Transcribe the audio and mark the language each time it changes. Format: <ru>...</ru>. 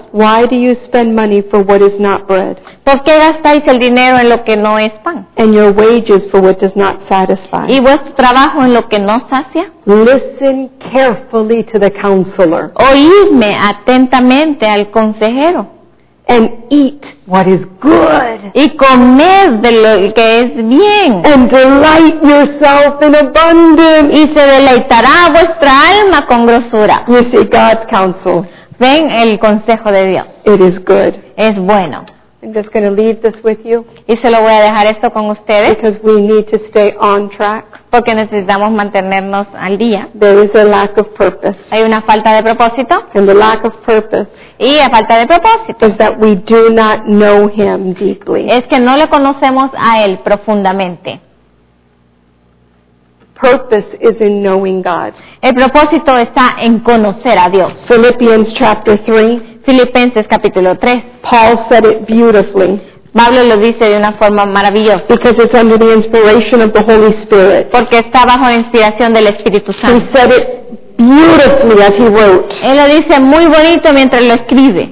<en>Why do you spend money for what is not bread?</en> <es>¿Por qué gastáis el dinero en lo que no es pan?</es> <en>And your wages for what does not satisfy.</en> <es>¿Y vuestro trabajo en lo que no sacia?</es> <en>Listen carefully to the counselor.</en> <es>Oídme atentamente al consejero.</es> <en>And eat what is good.</en> <es>Y comed de lo que es bien.</es> <en>And delight yourself in abundance.</en> <es>Y se deleitará vuestra alma con grosura.</es> <en>You see God's counsel.</en> <es>Ven el consejo de Dios.</es> <en>It is good.</en> <es>Es bueno.</es> <en>I'm just going to leave this with you.</en> <es>Y se lo voy a dejar esto con ustedes.</es> <en>Because we need to stay on track.</en> <es>Porque necesitamos mantenernos al día.</es> <en>There is a lack of purpose.</en> <es>Hay una falta de propósito.</es> <en>And the lack of purpose.</en> <es>Y la falta de propósito.</es> <en>Is that we do not know him deeply.</en> <es>Es que no lo conocemos a él profundamente.</es> <en>Purpose is in knowing God.</en> <es>El propósito está en conocer a Dios.</es> <en>Philippians chapter 3.</en> <es>Filipenses capítulo 3.</es> <en>Paul said it beautifully.</en> <es>Pablo lo dice de una forma maravillosa.</es> <en>Because it's under the inspiration of the Holy Spirit.</en> <es>Porque está bajo la inspiración del Espíritu Santo.</es> <en>He said it beautifully as he wrote.</en> <es>Él lo dice muy bonito mientras lo escribe.</es>